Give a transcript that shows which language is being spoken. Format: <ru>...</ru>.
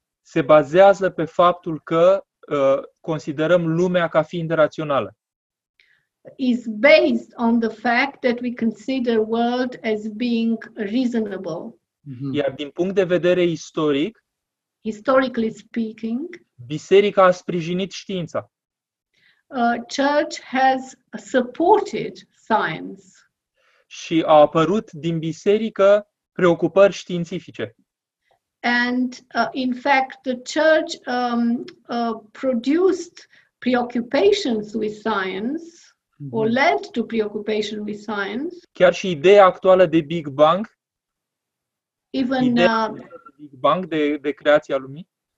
<ro>Se bazează pe faptul că considerăm lumea ca fiind rațională.</ro> <en>Is based on the fact that we consider world as being reasonable. Mm-hmm.</en> <ro>Iar din punct de vedere istoric,</ro> <en>historically speaking,</en> <ro>biserica a sprijinit știința.</ro> <en>Church has supported science.</en> <ro>Și a apărut din biserică preocupări științifice.</ro> <en>And in fact, the church produced preoccupations with science, or led to preoccupation with science.</en> <ro>Chiar și ideea actuală de Big Bang,</ro> <en>even</en> <ro>Big Bang de creația lumii.</ro>